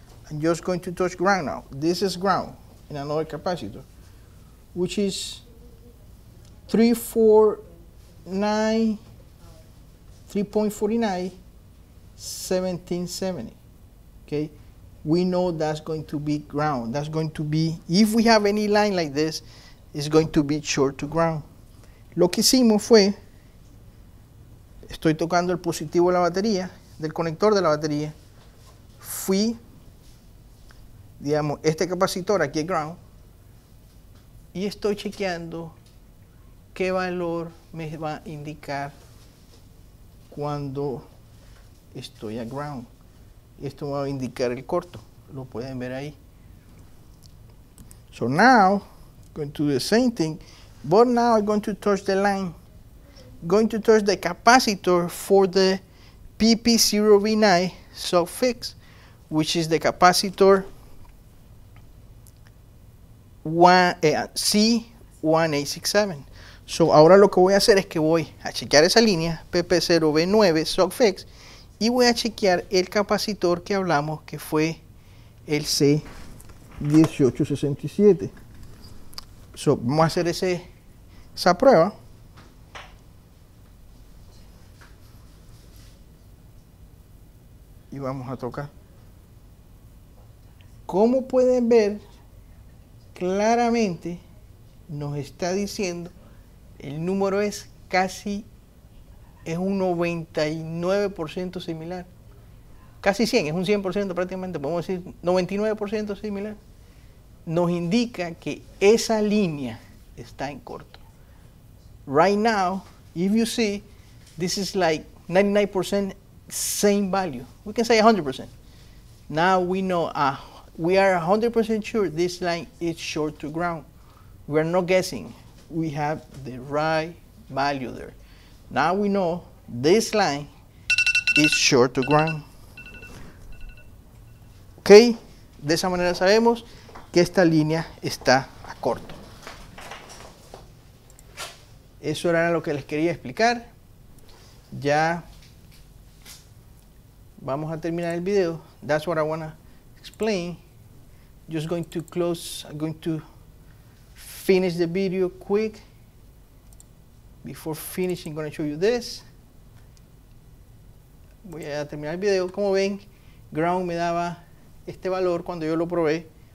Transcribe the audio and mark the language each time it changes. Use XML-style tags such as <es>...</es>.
<en>I'm just going to touch ground now. This is ground in another capacitor, which is 3.49 1770. Okay, we know that's going to be ground. That's going to be, if we have any line like this, it's going to be short to ground.</en> <es>Lo que hicimos fue, estoy tocando el positivo de la batería, del conector de la batería. Fui, digamos, este capacitor aquí es ground. Y estoy chequeando qué valor me va a indicar cuando estoy a ground. Esto va a indicar el corto. Lo pueden ver ahí.</es> <en>So now, going to do the same thing. But now I'm going to touch the line. Going to touch the capacitor for the PP0V9 suffix, which is the capacitor C1867.</en> <es>So ahora lo que voy a hacer es que voy a chequear esa línea PP0V9 Socfix y voy a chequear el capacitor que hablamos, que fue el C1867. So vamos a hacer esa prueba. Y vamos a tocar. Como pueden ver, claramente nos está diciendo, el número es casi, es un 99% similar. Casi 100, es un 100% prácticamente, podemos decir 99% similar. Nos indica que esa línea está en corto.</es> <en>Right now, if you see, this is like 99% same value. We can say 100%. Now we know, we are 100% sure this line is short to ground. We are not guessing. We have the right value there. Now we know this line is short to ground. Okay?</en> <es>De esa manera sabemos que esta línea está a corto. Eso era lo que les quería explicar. Ya vamos a terminar el video.</es> <en>That's what I want to explain. Just going to close, I'm going to finish the video quick. Before finishing, I'm going to show you this.</en> <es>Voy a terminar el video. Como ven, ground me daba este valor cuando yo lo probé.</es>